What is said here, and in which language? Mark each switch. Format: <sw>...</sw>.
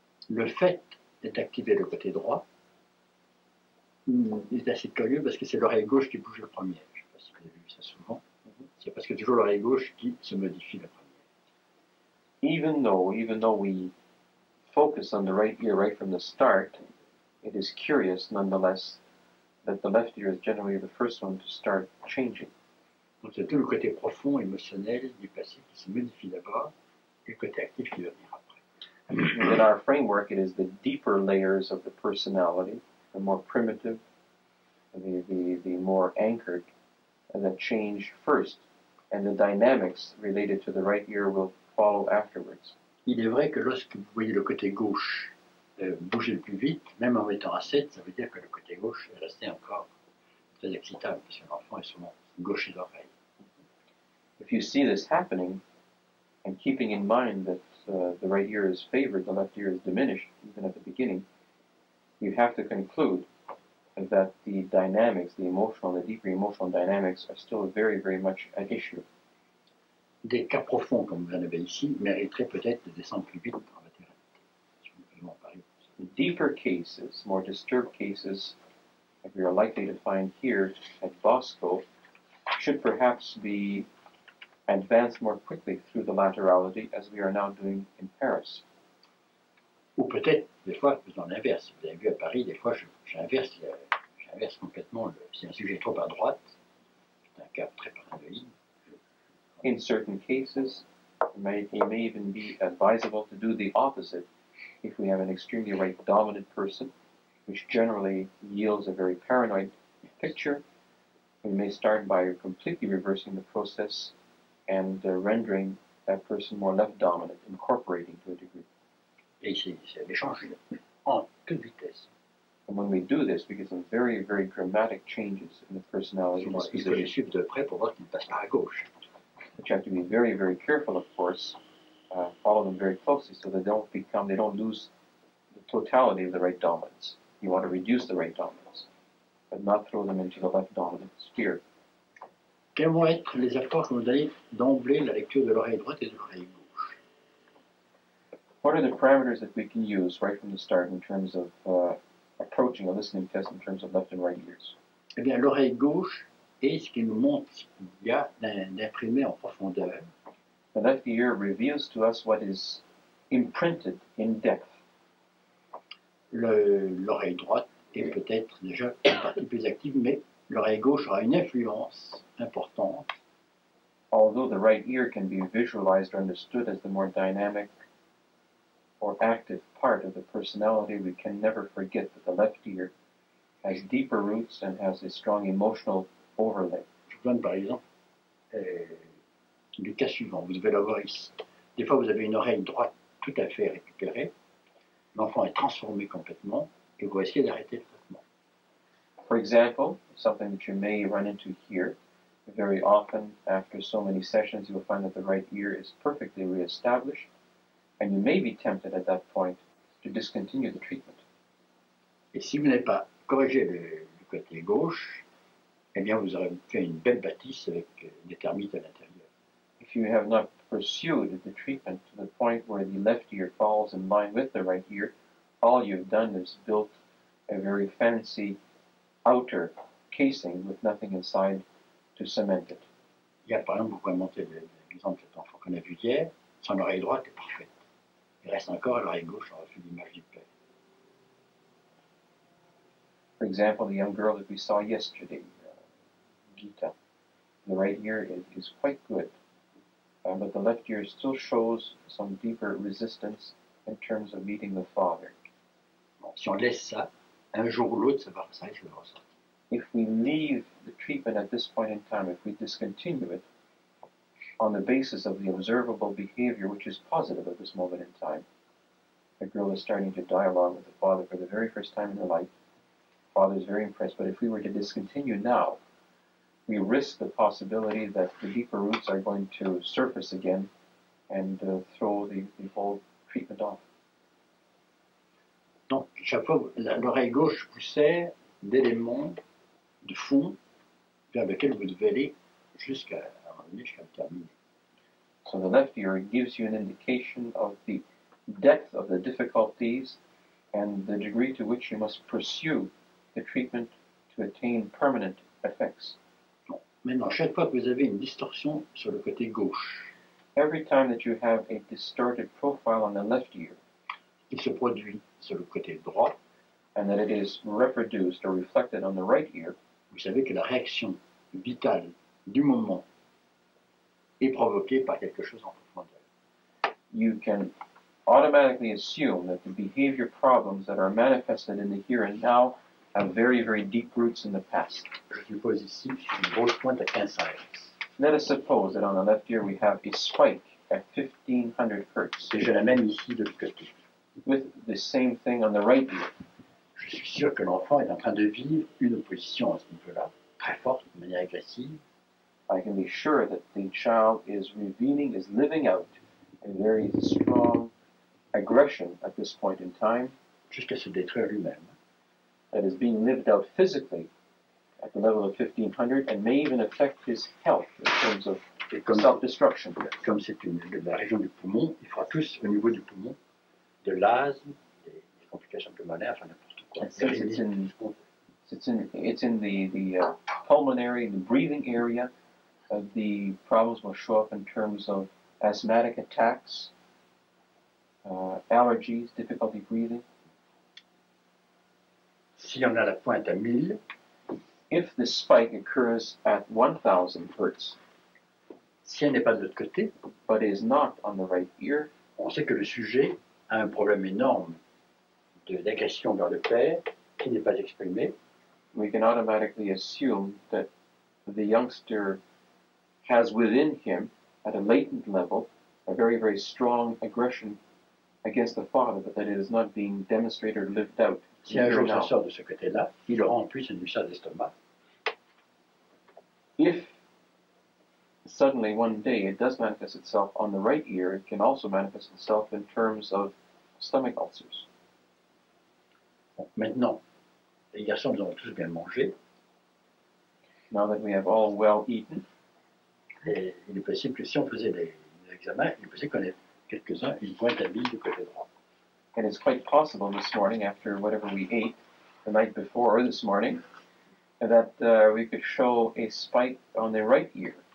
<fr>Et le fait d'activer le côté droit est assez curieux parce que c'est l'oreille gauche qui bouge le premier. Je ne sais pas si vous avez vu ça souvent. C'est parce que toujours l'oreille gauche qui se modifie le premier.</fr> <en>Even though we focus on the right ear right from the start, it is curious nonetheless that the left ear is generally the first one to start changing.</en> <fr>Donc c'est tout le côté profond, émotionnel du passé qui se modifie d'abord et le côté actif qui va venir après.</fr> <en>In our framework, it is the deeper layers of the personality, the more primitive, the more anchored, and that change first. And the dynamics related to the right ear will follow afterwards.</en> <fr>Il est vrai que lorsque vous voyez le côté gauche bouger le plus vite, même en étant à 7, ça veut dire que le côté gauche est resté encore très excitable parce que l'enfant est souvent gaucher d'oreille.</fr> <en>If you see this happening, and keeping in mind that the right ear is favored, the left ear is diminished, even at the beginning, you have to conclude that the dynamics, the emotional, the deeper emotional dynamics, are still very, very much at issue.</en> <fr>Des cas profonds comme vous en avez ici mériteraient peut-être de descendre plus vite en maternité, si vous voulez en parler.</fr> <en>Deeper cases, more disturbed cases, that we are likely to find here at Bosco, should perhaps be advanced more quickly through the laterality, as we are now doing in Paris.</en> <fr>Ou peut-être, des fois, faisant l'inverse. Vous avez vu à Paris, des fois, j'inverse complètement. Si un sujet est trop à droite, c'est un cas très paranoïde.</fr> <en>In certain cases, it may even be advisable to do the opposite if we have an extremely right dominant person, which generally yields a very paranoid picture. We may start by completely reversing the process and rendering that person more left dominant, incorporating to a degree.</en> <fr>Et c'est l'échange en toute vitesse.</fr> <en>And when we do this, we get some very, very dramatic changes in the personality and disposition. Which have to be very, very careful, of course, follow them very closely so they don't become, they don't lose the totality of the right dominance. You want to reduce the right dominance, but not throw them into the left dominant sphere.</en> <fr>Quels vont être les apports que vous allez d'emblée la lecture de l'oreille droite et de l'oreille gauche?</fr> <en>What are the parameters that we can use right from the start in terms of approaching a listening test in terms of left and right ears?</en> <fr>Eh bien, l'oreille gauche est ce qui nous montre ce qu'il y a d'imprimé en profondeur.</fr> <en>The left ear reveals to us what is imprinted in depth.</en> <fr>L'oreille droite est peut-être déjà une partie plus active, mais l'oreille gauche aura une influence importante.</fr> <en>Although the right ear can be visualized or understood as the more dynamic or active part of the personality, we can never forget that the left ear has deeper roots and has a strong emotional overlay.</en> <fr>Je donne par exemple le cas suivant. Vous devez l'avoir ici. Des fois, vous avez une oreille droite tout à fait récupérée. L'enfant est transformé complètement et vous essayez d'arrêter le traitement.</fr> <en>For example, something that you may run into here, very often after so many sessions, you will find that the right ear is perfectly reestablished, and you may be tempted at that point to discontinue the treatment.</en> <fr>Et si vous n'avez pas corrigé le côté gauche, eh bien vous aurez fait une belle bâtisse avec des termites à l'intérieur.</fr> <en>If you have not pursued the treatment to the point where the left ear falls in line with the right ear, all you've done is built a very fancy outer casing with nothing inside to cement it.</en> <fr>Il y a par exemple, vous pouvez monter l'exemple de cet enfant qu'on a vu hier, son oreille droite est parfaite. Il reste encore l'oreille gauche en refus d'image du père.</fr> <en>For example, the young girl that we saw yesterday, Gita, the right ear is quite good. But the left ear still shows some deeper resistance in terms of meeting the father.</en> <fr>Bon, si on laisse ça, un jour ou l'autre, ça va ressortir.</fr> <en>If we leave the treatment at this point in time, if we discontinue it on the basis of the observable behavior, which is positive at this moment in time, the girl is starting to dialogue with the father for the very first time in her life. The father is very impressed, but if we were to discontinue now, we risk the possibility that the deeper roots are going to surface again and throw the whole treatment off.</en> <fr>Donc, chaque fois, l'oreille gauche vous sert d'élément de fond vers lequel vous devez aller jusqu'à le terminer.</fr> <en>So the left ear gives you an indication of the depth of the difficulties and the degree to which you must pursue the treatment to attain permanent effects.</en> <fr>Maintenant, chaque fois que vous avez une distorsion sur le côté gauche,</fr> <en>every time that you have a distorted profile on the left ear,</en> <fr>il se produit sur le côté droit,</fr> <en>and that it is reproduced or reflected on the right ear,</en> <fr>vous savez que la réaction vitale du moment est provoquée par quelque chose en profondeur.</fr> <en>You can automatically assume that the behavior problems that are manifested in the here and now have very, very deep roots in the past.</en> <fr>Je suppose ici une grosse pointe à 1500 Hz.</fr> <en>Let us suppose that on the left ear we have a spike at 1500 Hz.</en> <fr>Et je l'amène ici de l'autre côté.</fr> <en>With the same thing on the right ear.</en> <fr>Je suis sûr que l'enfant est en train de vivre une opposition à ce niveau-là, très forte, de manière agressive.</fr> <en>I can be sure that the child is revealing, is living out a very strong aggression at this point in time.</en> <fr>Jusqu'à se détruire lui-même.</fr> <en>That is being lived out physically at the level of 1500 and may even affect his health in terms of self-destruction.</en> <fr>Comme c'est une la région du poumon, il fera tous au niveau du poumon de l'asthme, des complications pulmonaires, enfin n'importe quoi.</fr> <en>It's in the pulmonary, the breathing area. The problems will show up in terms of asthmatic attacks, allergies, difficulty breathing.</en> <fr>Si on a la pointe à 1000,</fr> <en>if the spike occurs at 1000 Hz,</en> <fr>si elle n'est pas de l'autre côté,</fr> <en>but is not on the right ear,</en> <fr>on sait que le sujet a un problème énorme d'agression vers le père qui n'est pas exprimé.</fr> <en>We can automatically assume that the youngster has within him, at a latent level, a very, very strong aggression against the father, but that it is not being demonstrated or lived out.</en> <fr>Si un jour ça sort de ce côté-là, il aura en plus une douleur d'estomac.</fr> <en>If suddenly one day it does manifest itself on the right ear, it can also manifest itself in terms of stomach ulcers.</en> <fr>Maintenant, les garçons, nous avons tous bien mangé.</fr> <en>Now that we have all well eaten,</en> <fr>et il est possible que si on faisait des examens, il est possible qu'on ait quelques-uns une pointe habile du côté droit.</fr> <en>And it's quite possible this morning, after whatever we ate the night before or this morning, that we could show a spike on the right ear.</en>